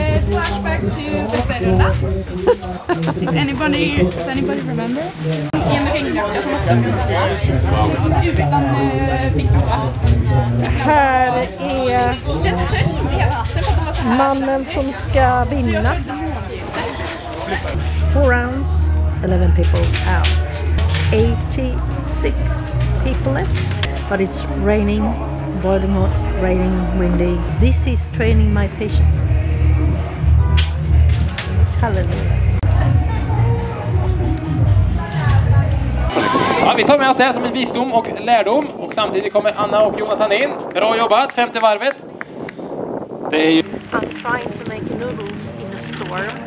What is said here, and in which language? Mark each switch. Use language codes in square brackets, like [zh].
[en] Flashback to Bethesda. Does anybody remember? [sv] Här är mannen som ska vinna. [en] 4 rounds, 11 people out. 86 people left, but it's raining, boiling hot, raining, windy. This is training my patience. Hallelujah. [sv] Ja, vi tar med oss det här som en visdom och lärdom. Och samtidigt kommer Anna och Jonathan in. Bra jobbat, 5:e varvet. Det är ju... [en] I'm trying to make noodles in a storm.